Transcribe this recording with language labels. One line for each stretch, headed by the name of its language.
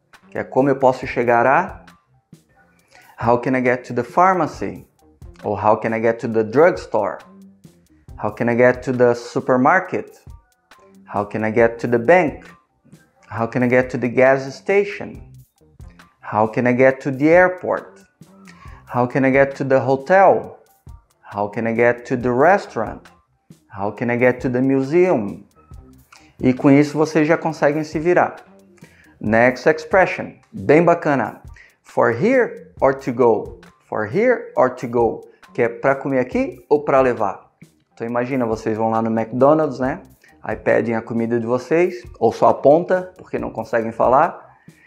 Portuguese: Que é como eu posso chegar a?
English: How can I get to the pharmacy? Ou how can I get to the drugstore? How can I get to the supermarket? How can I get to the bank? How can I get to the gas station? How can I get to the airport? How can I get to the hotel? How can I get to the restaurant? How can I get to the museum?
Portuguese: E com isso vocês já conseguem se virar.
English: Next expression.
Portuguese: Bem bacana.
English: For here or to go? For here or to go?
Portuguese: Que é para comer aqui ou para levar? Então imagina, vocês vão lá no McDonald's, né? Aí pedem a comida de vocês, ou só aponta, porque não conseguem falar.